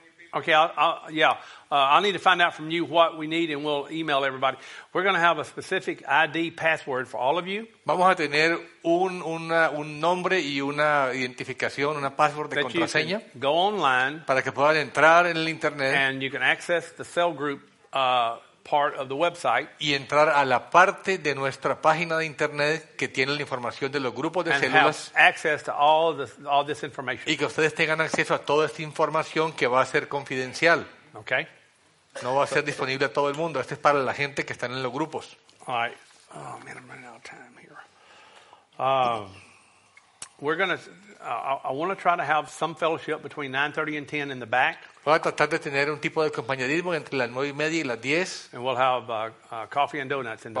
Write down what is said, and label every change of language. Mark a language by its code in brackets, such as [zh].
[en] Okay, I'll need to find out from you what we need, and we'll email everybody. We're going to have a specific ID password for all of you. [es] Vamos a tener un nombre y una identificación, una password de contraseña. [en] Go online. [es] Para que puedan entrar en el internet. [en] And you can access the cell group part of the website. [es] Y entrar a la parte de nuestra página de internet que tiene la información de los grupos de [en] and [es] células. [en] Have access to all this information. [es] Y que ustedes tengan acceso a toda esta información que va a ser confidencial. [en] Okay. [es] No va a ser disponible a todo el mundo. Este es para la gente que están en los grupos. [en] All right. Oh, man, I'm running out of time here. I want to try to have some fellowship between 9:30 and 10 in the back. [es] Voy a tratar de tener un tipo de compañerismo entre las 9 y media y las 10. [en] And we'll have coffee and donuts in the